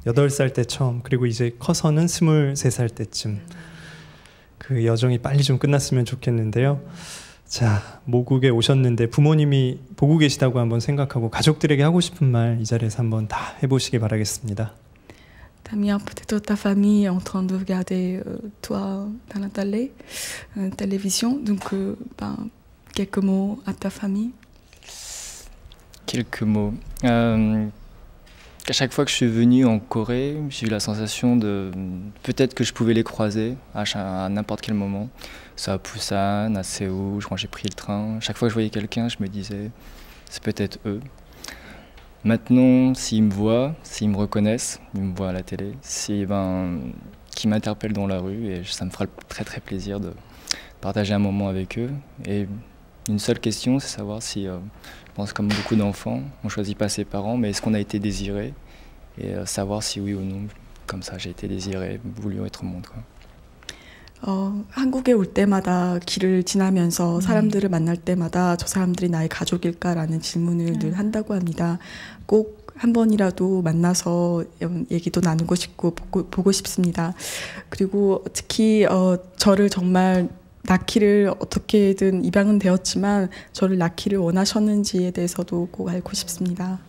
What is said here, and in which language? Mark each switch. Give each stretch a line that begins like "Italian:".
Korean: 8살 때 처음, 그리고 이제 커서는 23살 때쯤 그 여정이 빨리 좀 끝났으면 좋겠는데요. 자, 모국에 오셨는데 부모님이 보고 계시다고 한번 생각하고 가족들에게 하고 싶은 말 이 자리에서 한번 다 해보시기 바라겠습니다.
French: Damien, peut-être ta famille est en train de regarder toi dans la télé, télévision. Donc, ben, quelques mots à ta famille. Quelques mots. À chaque fois que je suis venu en Corée, j'ai eu la sensation de peut-être que je pouvais les croiser à n'importe quel moment, soit à Busan, à Séoul, quand j'ai pris le train. Chaque fois que je voyais quelqu'un, je me disais, c'est peut-être eux. Maintenant, s'ils me voient, s'ils me reconnaissent, ils me voient à la télé, qu'ils m'interpellent dans la rue, et ça me fera très très plaisir de partager un moment avec eux. Et une seule question, c'est savoir si... Je pense comme beaucoup d'enfants, on ne choisit pas ses parents, mais est-ce qu'on a été désiré? Et savoir si oui ou non, comme ça, j'ai été désiré, voulu être au monde. Quoi.
Korean: 한국에 올 때마다 길을 지나면서 사람들을 만날 때마다 저 사람들이 나의 가족일까라는 질문을 늘 한다고 합니다. 꼭 한 번이라도 만나서 얘기도 나누고 싶고 보고 싶습니다. 그리고 특히 저를 정말 낳기를 어떻게든 입양은 되었지만 저를 낳기를 원하셨는지에 대해서도 꼭 알고 싶습니다.